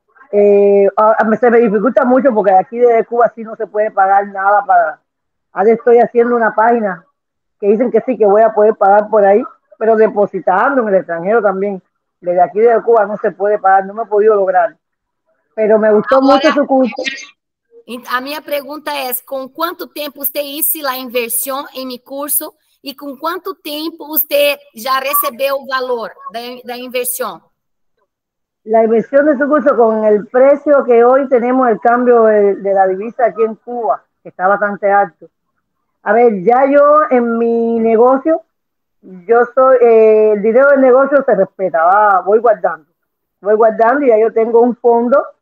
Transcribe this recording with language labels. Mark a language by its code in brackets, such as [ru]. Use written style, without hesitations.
[es] Se me dificulta mucho porque aquí de Cuba sí no se puede pagar nada para. Ahora estoy haciendo una página que dicen que sí, que voy a poder pagar por ahí, pero depositando en el extranjero también. Desde aquí de Cuba no se puede pagar, no me he podido lograr. Pero me gustó mucho Ahora, su curso. [pt] a minha pergunta é: com quanto tempo você hizo a inversão em meu curso e com quanto tempo você já recebeu o valor da inversão? [es] La inversión de su curso con el precio que hoy tenemos el cambio de la divisa aquí en Cuba, que está bastante alto. A ver, ya yo en mi negocio, yo soy, el dinero del negocio se respeta, voy guardando y ya yo tengo un fondo.